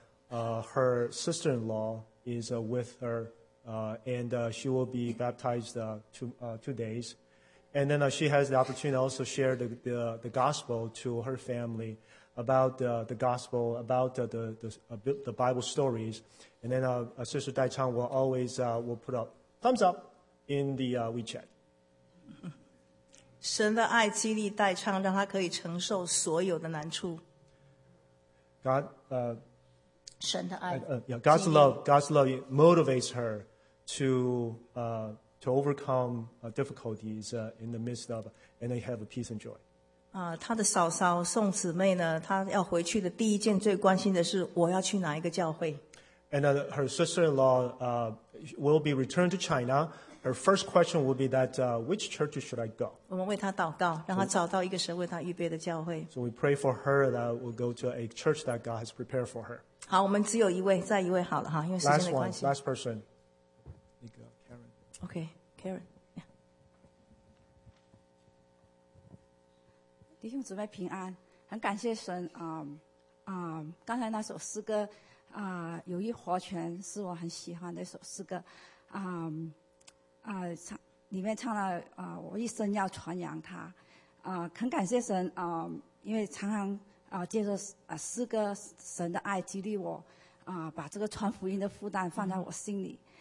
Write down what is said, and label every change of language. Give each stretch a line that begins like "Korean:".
English: Her sister-in-law is with her, and she will be baptized two days. And then she has the opportunity to also share the gospel to her family about the gospel, about the Bible stories. And then Sister Dai Chang will always will put up Thumbs up in the WeChat.
Chinese: 神的爱激励代唱，让他可以承受所有的难处。
English: God,
Chinese: 神的爱。
English: Yeah, God's love motivates her to overcome difficulties in the midst of, and they have a peace and joy.
Chinese: 啊，他的嫂嫂宋姊妹呢？她要回去的第一件最关心的是，我要去哪一个教会
English: ？And her sister-in-law will be returned to China. Her first question will be that which church should I go?
Chinese: 我们为她祷告，让她找到一个神为她预备的教会。
English: So we pray for her that will go to a church that God has prepared for her.
Chinese: 好，我们只有一位，再一位好了哈，因为时间的关系。
English: Last person. Karen. Okay, Karen.
Chinese: 弟兄姊妹平安，很感谢神啊啊！刚才那首诗歌啊，《友谊活泉》是我很喜欢的一首诗歌啊啊，里面唱了啊，我一生要传扬他啊，很感谢神啊，因为常常啊，借着啊诗歌，神的爱激励我啊，把这个传福音的负担放在我心里。